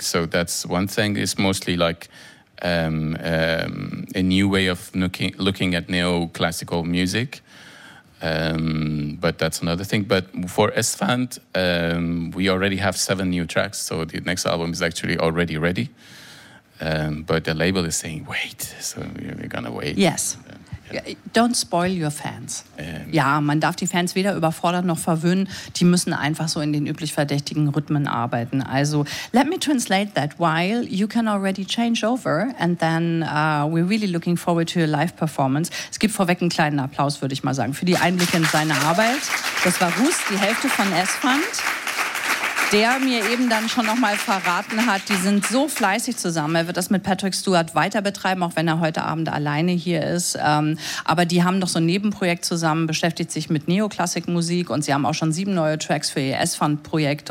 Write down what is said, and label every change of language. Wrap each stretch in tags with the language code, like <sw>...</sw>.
<en>So that's one thing. It's mostly like a new way of looking at neoclassical music, but that's another thing. But for Esfand, we already have 7 new tracks, so the next album is actually already ready. But the label is saying, wait, so we're gonna wait. Yes. Don't spoil your fans.</en> <de>Ja, man darf die Fans weder überfordern noch verwöhnen. Die müssen einfach so in den üblich verdächtigen Rhythmen arbeiten.</de> <en>Also, let me translate that. While you can already change over and then we're really looking forward to a live performance.</en> <de>Es gibt vorweg einen kleinen Applaus, würde ich mal sagen, für die Einblicke in seine Arbeit. Das war Russ, die Hälfte von Esfand, der mir eben dann schon nochmal verraten hat, die sind so fleißig zusammen. Er wird das mit Patrick Stewart weiter betreiben, auch wenn er heute Abend alleine hier ist. Aber die haben doch so ein Nebenprojekt zusammen, beschäftigt sich mit Neoklassikmusik, und sie haben auch schon 7 neue Tracks für ihr S-Fund-Projekt.</de>